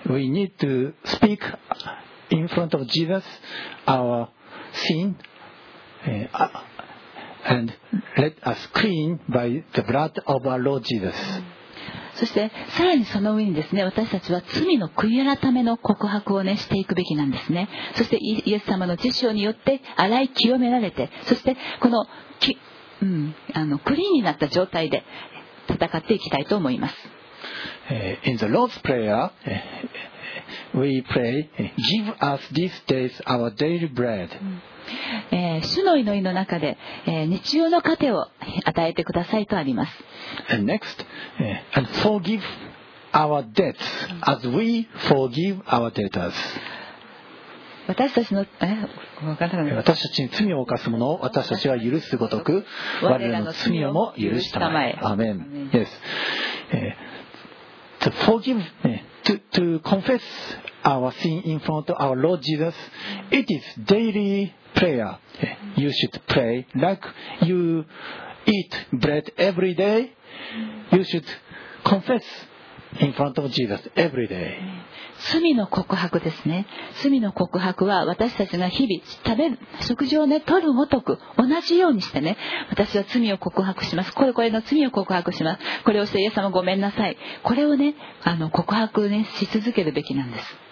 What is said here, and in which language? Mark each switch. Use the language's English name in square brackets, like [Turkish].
[English] We need to speak in front of Jesus our sin. And let us clean by the blood of our Lord Jesus. [Japanese] そしてさらにその上にですね、私たちは罪の悔い改めの告白をねしていくべきなんですね。そしてイエス様の血潮によって洗い清められて、そしてこの、クリーンになった状態で戦っていきたいと思います。 [English] In the Lord's Prayer, we pray, "Give us these days our daily bread." [Japanese] 主の祈りの中で、日曜の糧を与えてくださいとあります。 [English] And next, and forgive our debts as we forgive our debtors. [Japanese] 私たちの、私たちに罪を犯す者を私たちは許すごとく我らの罪をも許したまえ。 [English] Amen. Yes. To forgive, to confess our sin in front of our Lord Jesus, it is dailyPrayer. You should pray like you eat bread every day. You should confess in front of Jesus every day. [Japanese] 罪の告白ですね。罪の告白は私たちが日々食事をね、取るごとく同じようにしてね、私は罪を告白します。これの罪を告白します。これをしてイエス様ごめんなさい。これをね、告白ねし続けるべきなんです。